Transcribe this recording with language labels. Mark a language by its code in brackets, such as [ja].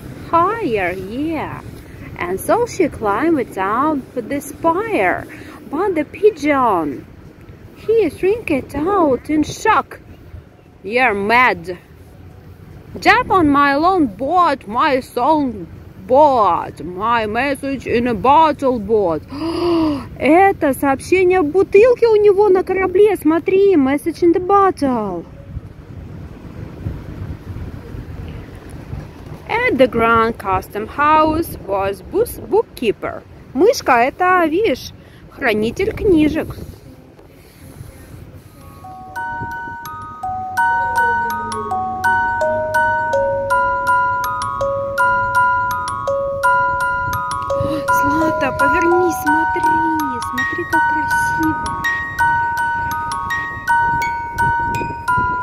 [en] Higher, yeah. And so she climbed up the spire. But the pigeon, he shrink it out in shock. You're mad. Jump on my long board, my song board, my message in a bottle board. [ru] Это сообщение в бутылке у него на корабле. Смотри, [en] message in the bottle. At the Grand Custom House was bookkeeper. [ru] Мышка, это, видишь, хранитель книжек. Злата, повернись, смотри, смотри, как красиво.